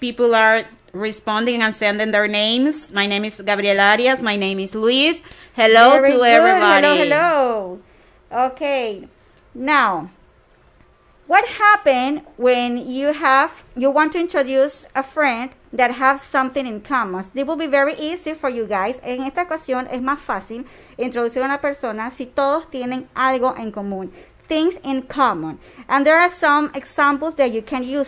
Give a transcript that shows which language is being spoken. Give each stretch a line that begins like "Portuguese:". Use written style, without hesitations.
English: People are responding and sending their names. My name is Gabriel Arias. My name is Luis. Hello Very to good. Everybody. Hello, hello. Okay. Now, what happened when you want to introduce a friend that have something in common? It will be very easy for you guys.
Spanish: En esta ocasión es más fácil introducir a una persona si todos tienen algo en común.
English: Things in common. And there are some examples that you can use.